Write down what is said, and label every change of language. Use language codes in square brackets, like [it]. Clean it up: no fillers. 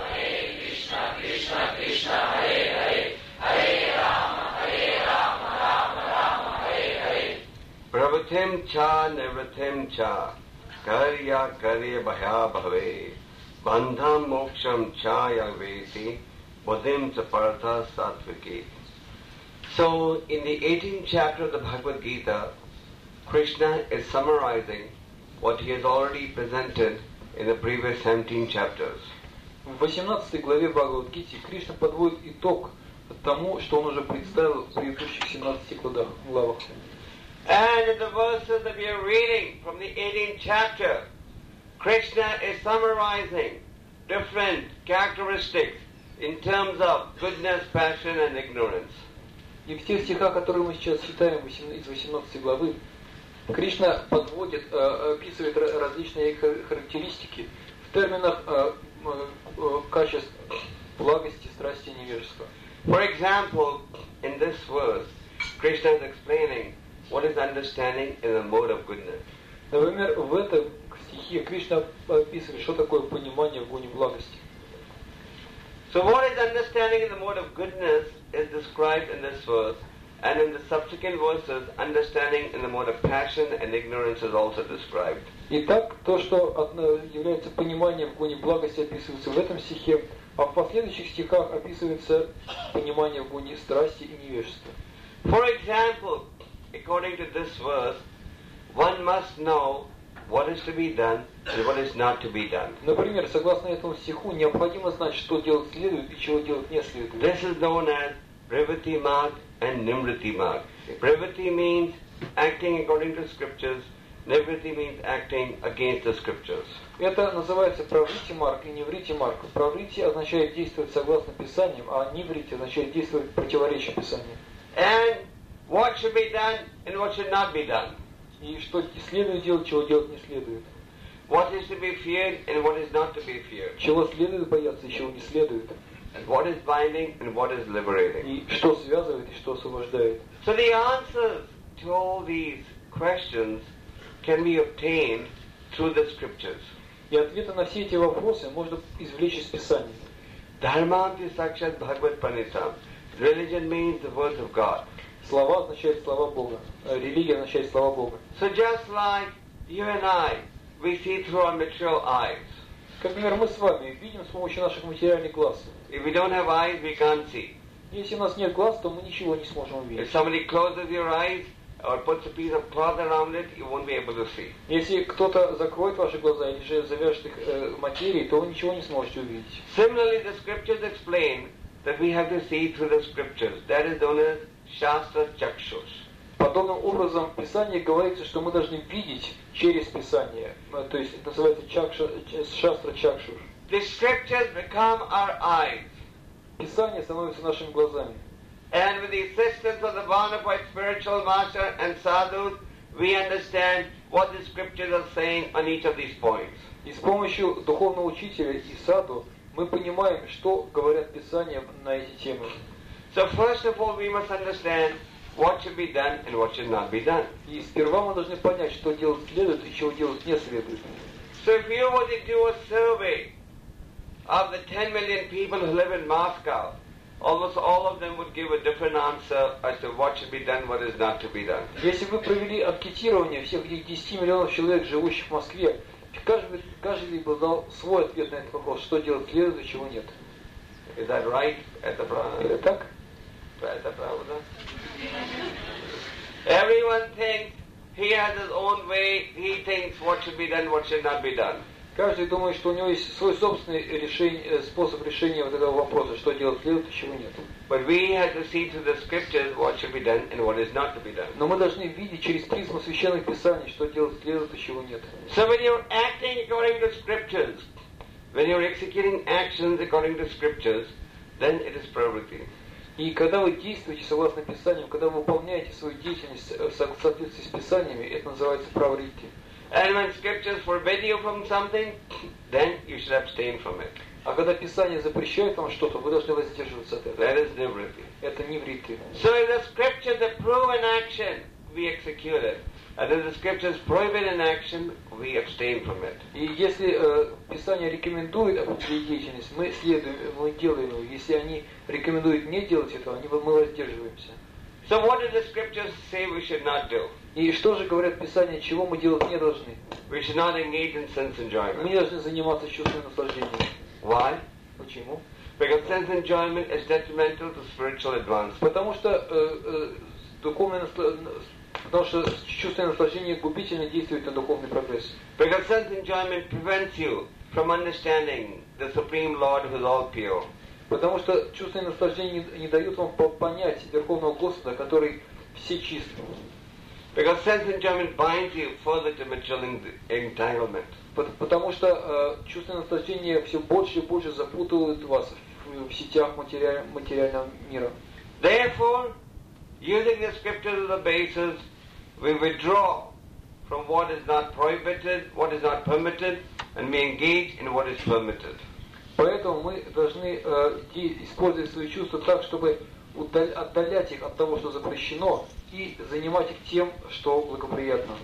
[sa] Кришна Кришна Харе Харе Харе Рама Харе Рама Правитем ча, невритем ча, карья карья бхая бхаве, бандхам мокшам ча ягвети, бодхим ча паратха сатвики. [en] So, in the 18th chapter of the Bhagavad Gita, Krishna is summarizing what he has already presented in the previous 17 chapters. [ru] В 18 главе Бхагавад Гиты Кришна подводит итог тому, что он уже представил в предыдущих 17 главах. [en] And in the verses that we are reading from the 18th chapter, Krishna is summarizing different characteristics in terms of goodness, passion, and ignorance. [ru] И в тех стихах, которые мы сейчас читаем из 18 главы, Кришна подводит, описывает различные характеристики в терминах качеств благости, страсти, невежества. [en] For example, in this verse, Krishna is explaining what is understanding in the mode of goodness. [ru] Например, в этой стихе Кришна описывает, что такое понимание в гуне благости. [en] So what is understanding in the mode of goodness is described in this verse, and in the subsequent verses, understanding in the mode of passion and ignorance is also described. [ru] Итак, то, что является пониманием в гуне благости, описывается в этом стихе, а в последующих стихах описывается понимание в гуне страсти и невежества. [en] For example, according to this verse, one must know what is to be done and what is not to be done. [ru] Например, согласно этому стиху, необходимо знать, что делать следует и чего делать не следует. [en] This is known as Pravritti Marg and Nivritti Marg. Pravritti means acting according to scriptures. Nivritti means acting against the scriptures. [ru] Это называется Pravritti Marg и Nivritti Marg. Pravritti означает действовать согласно Писаниям, а Nivritti означает действовать противоречие Писаниям. [en] And what should be done and what should not be done. [ru] И что следует делать, чего делать не следует. [en] What is to be feared and what is not to be feared. [ru] Чего следует бояться и чего не следует. [en] And what is binding and what is liberating. [ru] И что связывает и что освобождает. [en] So the answers to all these questions can be obtained through the scriptures. [ru] И ответы на все эти вопросы можно извлечь из Писания. [sa] Dharmanti sakshat bhagavat panitam. [en] Religion means the words of God. [ru] Слова означают слова Бога. Религия означает слова Бога. [en] So just like you and I, we we see through our material eyes. [ru] Например, мы с вами видим с помощью наших материальных глаз. [en] If we don't have eyes, we can't see. [ru] Если у нас нет глаз, то мы ничего не сможем увидеть. [en] If somebody closes your eyes or puts a piece of cloth around it, you won't be able to see. [ru] Если кто-то закроет ваши глаза или же завяжет их материей, то вы ничего не сможете увидеть. [en] Similarly, the scriptures explain that we have to see through the scriptures. That is known as shastra chakshus. [ru] Подобным образом в Писании говорится, что мы должны видеть через Писание. То есть это называется шастра чакшур. [en] The scriptures become our eyes. [ru] Писание становится нашими глазами. [en] And with the assistance of the bona fide spiritual master and sadhu, we understand what the scriptures are saying on each of these points. [ru] И с помощью духовного учителя и саду мы понимаем, что говорят Писания на эти темы. [en] So first of all, we must understand what should be done and what should not be done. [ru] И сперва мы должны понять, что делать следует и чего делать не следует. [en] So if you were to do a survey of the 10 million people who live in Moscow, almost all of them would give a different answer as to what should be done, what is not to be done. [ru] Если бы провели анкетирование всех 10 миллионов человек, живущих в Москве, каждый бы дал свой ответ на этот вопрос, что делать следует и чего нет. [en] Is that right? [ru] Это правда? Это так? Это правда? [en] Everyone thinks he has his own way, he thinks what should be done, what should not be done. [ru] Каждый думает, что у него есть свой собственный способ решения вот этого вопроса, что делать следует и чего нет. [en] But we have to see through the scriptures what should be done and what is not to be done. [ru] Но мы должны видеть через призму священных писаний, что делать следует и чего нет. [en] So when you're acting according to scriptures, when you're executing actions according to scriptures, then it is priority. [ru] И когда вы действуете согласно Писаниям, когда вы выполняете свою деятельность в соответствии с Писаниями, это называется праворитие. [en] And when scriptures forbid you from something, then you should abstain from it. [ru] А когда Писание запрещает вам что-то, вы должны воздерживаться от этого. [en] That is nivritti. [ru] Это нивритти. [en] So if the scriptures approve an action, we execute it. And if the scriptures prohibit an action, we abstain from it. [ru] И если Писание рекомендует определенную деятельность, мы следуем, мы делаем ее. Если они рекомендуют не делать этого, мы воздерживаемся. [en] So what did the scriptures say we should not do? [ru] И что же говорят Писания, чего мы делать не должны? [en] We should not engage in sense enjoyment. [ru] Мы не должны заниматься чувственным наслаждением. [en] Why? [ru] Почему? [en] Because sense enjoyment is detrimental to spiritual advancement. [ru] Потому что чувственное наслаждение губительно действует на духовный прогресс. [en] Because sense enjoyment prevents you from understanding the Supreme Lord who is all pure. [ru] Потому что чувственное наслаждение не дают вам понять Верховного Господа, который все чистый. [en] Because sense enjoyment binds you further to material entanglement. [ru] Потому что чувственное наслаждение все больше и больше запутывает вас в сетях материального мира. [en] Therefore, using the scriptures as a basis, we withdraw from what is not prohibited, what is not permitted, and we engage in what is permitted. [ru] Поэтому мы должны использовать свои чувства так, чтобы отдалять их от того, что запрещено, и занимать их тем, что благоприятно.